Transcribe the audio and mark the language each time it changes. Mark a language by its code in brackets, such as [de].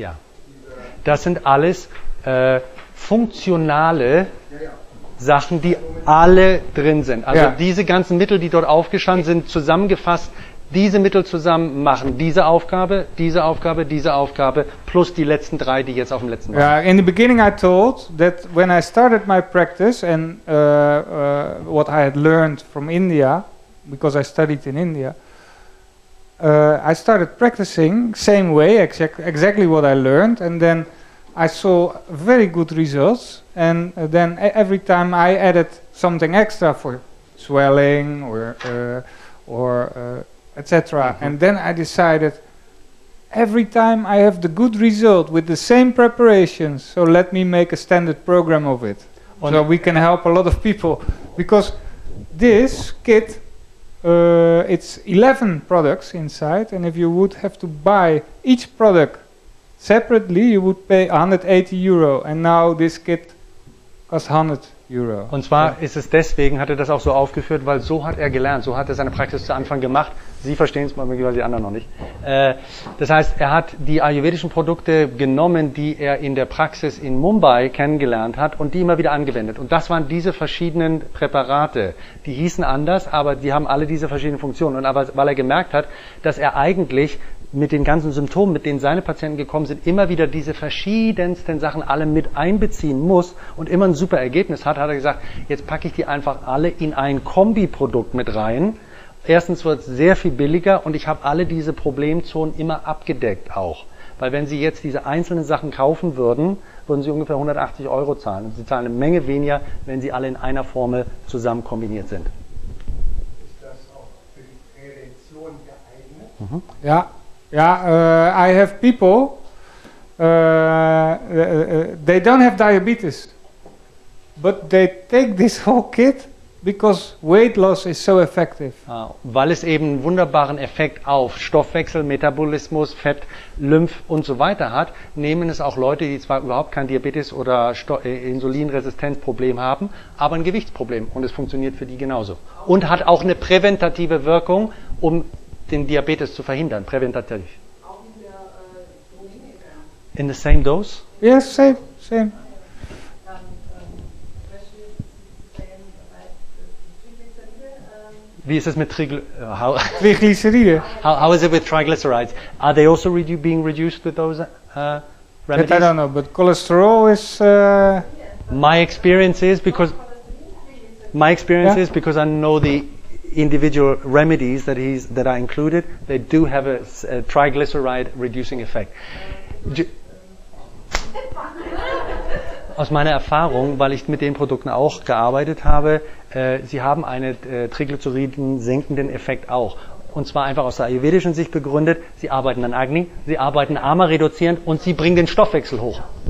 [de] Ja, das sind alles funktionale Sachen, die alle drin sind. Also diese ganzen Mittel, die dort aufgestanden sind, zusammengefasst, diese Mittel zusammen machen diese Aufgabe, diese Aufgabe, diese Aufgabe plus die letzten drei, die jetzt auf dem letzten. [en] Yeah, in the beginning I told that when I started my practice and what I had learned from India, because I studied in India, I started practicing same way, exactly what I learned, and then I saw very good results, and then every time I added something extra for swelling or etc. Mm-hmm. And then I decided every time I have the good result with the same preparations, so let me make a standard program of it. [de] Und [en] so we can help a lot of people. Because this kit, it's 11 products inside, and if you would have to buy each product separately, you would pay €180. And now this kit costs 100 Euro. [de] Und zwar ist es deswegen, hat er das auch so aufgeführt, weil so hat er gelernt, so hat er seine Praxis zu Anfang gemacht. Sie verstehen es mal, weil die anderen noch nicht. Das heißt, er hat die ayurvedischen Produkte genommen, die er in der Praxis in Mumbai kennengelernt hat und die immer wieder angewendet. Und das waren diese verschiedenen Präparate. Die hießen anders, aber die haben alle diese verschiedenen Funktionen. Und weil er gemerkt hat, dass er eigentlich mit den ganzen Symptomen, mit denen seine Patienten gekommen sind, immer wieder diese verschiedensten Sachen alle mit einbeziehen muss und immer ein super Ergebnis hat, hat er gesagt, jetzt packe ich die einfach alle in ein Kombiprodukt mit rein. Erstens wird es sehr viel billiger und ich habe alle diese Problemzonen immer abgedeckt auch. Weil wenn Sie jetzt diese einzelnen Sachen kaufen würden, würden Sie ungefähr 180 Euro zahlen. Und Sie zahlen eine Menge weniger, wenn Sie alle in einer Formel zusammen kombiniert sind. Ist das auch für die Prävention geeignet? Mhm. Ja. [en] Yeah, I have people, they don't have diabetes, but they take this whole kit because weight loss is so effective. [de] Weil es eben einen wunderbaren Effekt auf Stoffwechsel, Metabolismus, Fett, Lymph und so weiter hat, nehmen es auch Leute, die zwar überhaupt kein Diabetes oder Insulinresistenzproblem haben, aber ein Gewichtsproblem, und es funktioniert für die genauso. Und hat auch eine präventative Wirkung, um den Diabetes zu verhindern, präventativ. Auch in der Domine? [en] In the same dose? Yes, same, same. [de] Wie ist es mit Triglyceride? [en] How is it with triglycerides? Are they also being reduced with those remedies? That I don't know, but cholesterol is... My experience is because I know the individual remedies that are included, they do have a triglyceride reducing effect. [de] Aus meiner Erfahrung, weil ich mit den Produkten auch gearbeitet habe, sie haben einen Triglyceriden senkenden Effekt auch. Und zwar einfach aus der ayurvedischen Sicht begründet, sie arbeiten an Agni, sie arbeiten Ama reduzierend und sie bringen den Stoffwechsel hoch.